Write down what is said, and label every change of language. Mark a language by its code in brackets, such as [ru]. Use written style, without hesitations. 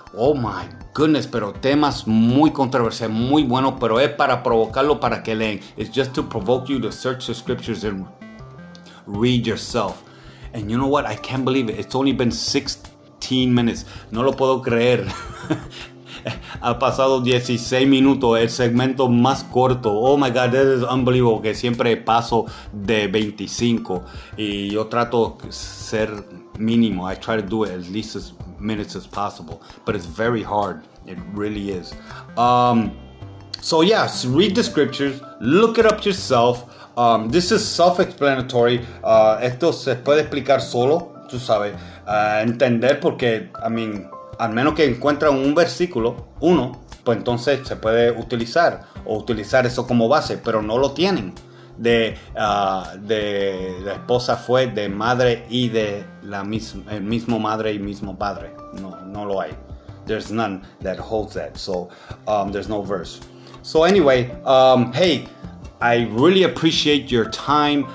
[en] Oh my goodness, [es] pero temas muy controversiales, muy buenos, pero es para provocarlo para que leen. [en] It's just to provoke you to search the scriptures and read yourself. And you know what? I can't believe it. It's only been 16 minutes. [es] No lo puedo creer. Ha pasado 16 minutos, el segmento más corto. [en] Oh my God, this is unbelievable, [es] que siempre paso de 25. Y yo trato ser mínimo. [en] I try to do it at least as minutes as possible, but it's very hard. It really is. So yes, read the scriptures, look it up yourself. This is self-explanatory. [es] Esto se puede explicar solo, tú sabes, entender, porque I mean, al menos que encuentran un versículo uno, pues entonces se puede utilizar o utilizar eso como base, pero no lo tienen. De la esposa fue de madre y de la misma, el mismo madre y mismo padre. No lo hay. [en] There's none that holds that. So there's no verse. So anyway, hey, I really appreciate your time.